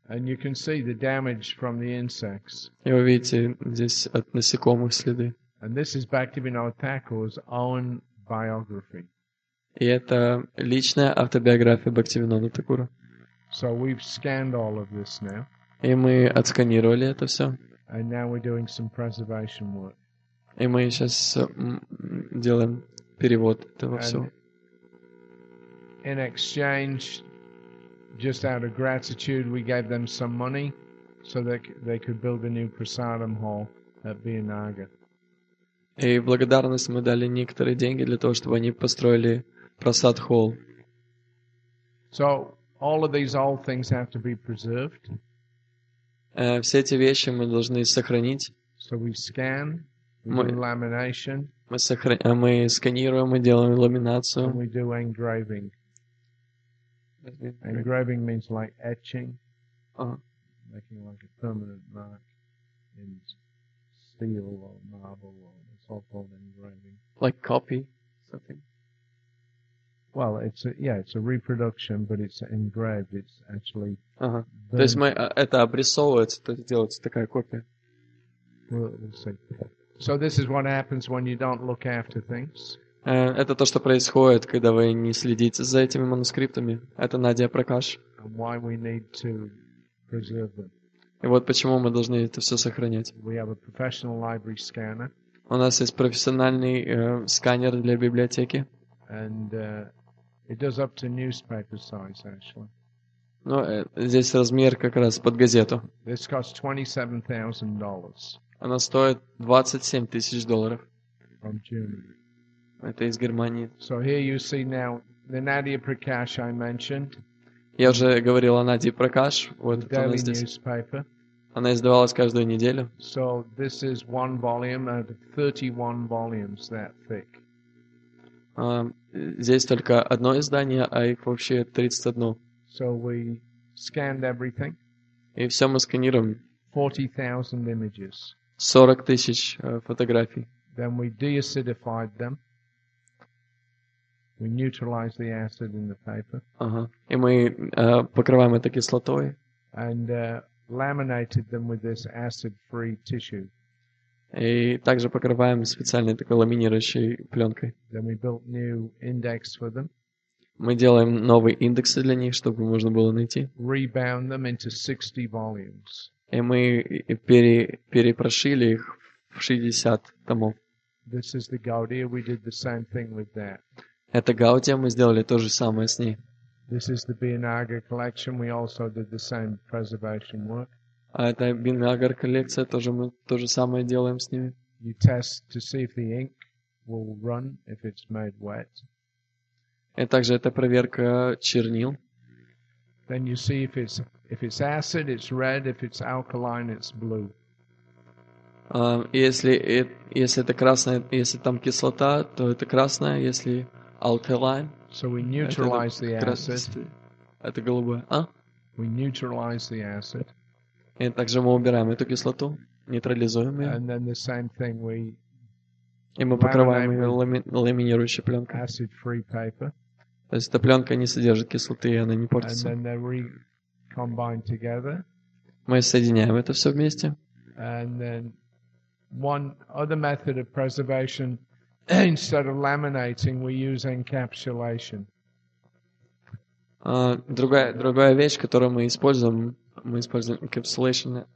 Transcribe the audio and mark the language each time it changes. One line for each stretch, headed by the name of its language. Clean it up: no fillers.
English: And you can see the damage from the insects.
Russian: И вы видите здесь от насекомых следы.
English: And this is Bhaktivinoda Thakur's own biography.
Russian: И это личная автобиография Бхактивинода Такура.
English: So we've scanned all of this now.
Russian: И мы отсканировали это все.
English: And now we're doing some preservation work.
Russian: И мы сейчас делаем перевод этого всего.
English: In exchange, just out of gratitude, we gave them some money so that they could build a new prasadam hall at Bianaga.
Russian: И в благодарность мы дали некоторые деньги для того, чтобы они построили прасад холл.
English: So all of these old things have to be preserved.
Russian: Все эти вещи мы должны сохранить.
English: So we scan, we do lamination.
Russian: Мы сканируем, мы делаем ламинацию.
English: And we do engraving. Engraving means like etching, making like a permanent mark in steel or marble or it's all called engraving. Like copy something. Well, it's a reproduction, but it's engraved. It's actually.
Russian: То есть мы это обрисовывается, то есть делается такая копия.
English: We'll see. So this is what happens when you don't look after things.
Russian: Это то, что происходит, когда вы не следите за этими манускриптами. Это Надия Пракаш.
English: And why we need to preserve them.
Russian: И вот почему мы должны это все сохранять.
English: We have a professional library scanner.
Russian: У нас есть профессиональный сканер для библиотеки.
English: And it does up to newspaper size, actually.
Russian: Ну, здесь размер как раз под газету.
English: This costs $27,000.
Russian: Она стоит $27,000.
English: From Germany.
Russian: Это из Германии.
English: So here you see now the Nadia Prakash I mentioned.
Russian: Я уже говорил о Нади Пракаш. Вот
English: the daily
Russian: здесь.
English: Newspaper.
Russian: Она издавалась каждую неделю.
English: So this is one volume out of 31 volumes that thick.
Russian: Здесь только одно издание, а их вообще 31.
English: So we scanned everything.
Russian: И все мы сканируем.
English: 40,000 images.
Russian: 40,000 фотографий.
English: Then we deacidified them. We neutralized the acid in the paper.
Russian: И мы покрываем это кислотой.
English: And laminated them with this acid-free tissue.
Russian: И также покрываем специальной такой ламинирующей пленкой.
English: Then we built new index for them.
Russian: Мы делаем новые индексы для них, чтобы можно было найти.
English: Rebound them into 60 volumes.
Russian: И мы перепрошили их в 60 томов.
English: This is the Gaudiya. We did the same thing with that.
Russian: Это Гаудия, мы сделали то же самое с ней.
English: This is the Bianaga collection. We also did the same preservation work.
Russian: А это Бинагар коллекция, тоже мы то же самое делаем с ними.
English: You test to see if the ink will run if it's made wet.
Russian: И также это проверка чернил.
English: Then you see if it's acid, it's red. If it's alkaline, it's blue.
Russian: Если это красная, если там кислота, то это красная, если alkaline.
English: So we neutralize the acid.
Russian: Это голубое, а?
English: We neutralize the acid.
Russian: И также мы убираем эту кислоту, нейтрализуем ее.
English: And then the same thing, we
Russian: и мы покрываем ее ламинирующей пленкой.
English: Acid-free paper.
Russian: То есть эта пленка не содержит кислоты, и она не портится.
English: And then they recombine together.
Russian: Мы соединяем это все вместе.
English: And then one other method of preservation, instead of laminating, we use encapsulation.
Russian: Другая вещь, которую мы используем encapsulation.